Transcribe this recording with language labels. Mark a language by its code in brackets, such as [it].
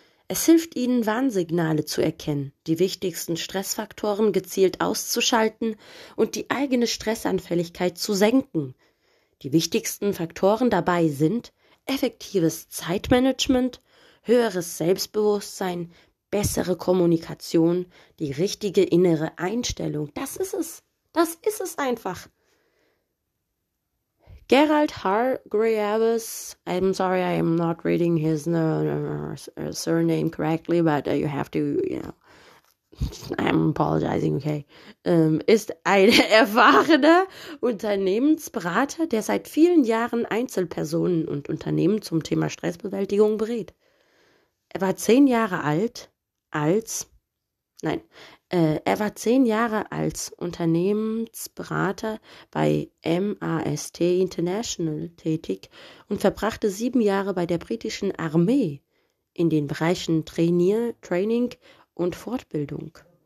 [de] Es hilft Ihnen, Warnsignale zu erkennen, die wichtigsten Stressfaktoren gezielt auszuschalten und die eigene Stressanfälligkeit zu senken. Die wichtigsten Faktoren dabei sind effektives Zeitmanagement, höheres Selbstbewusstsein, bessere Kommunikation, die richtige innere Einstellung. Das ist es. Das ist es einfach. [en] Geralt Hargreaves, I'm sorry, I'm not reading his surname correctly, but you have to, I'm apologizing, okay. [de] Ist ein erfahrener Unternehmensberater, der seit vielen Jahren Einzelpersonen und Unternehmen zum Thema Stressbewältigung berät. Er war 10 Jahre alt, als, nein, er war 10 Jahre als Unternehmensberater bei MAST International tätig und verbrachte 7 Jahre bei der britischen Armee in den Bereichen Training und Fortbildung.